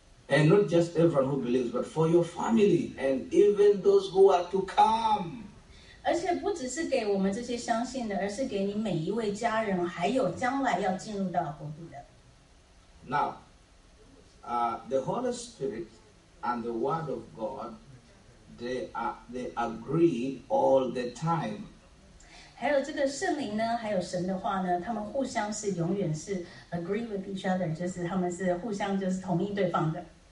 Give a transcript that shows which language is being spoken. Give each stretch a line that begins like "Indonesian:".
English: And not just everyone who believes, but for your family and even those who are to come.
Chinese: 而且不只是给我们这些相信的, 而是给你每一位家人, 还有将来要进入到国度的。
English: Now, the Holy Spirit and the Word of God, they agree all the time.
Chinese: 还有这个圣灵呢, 还有神的话呢, 他们互相是永远是
English: agree with each other,
Chinese: 就是他们是互相就是同意对方的。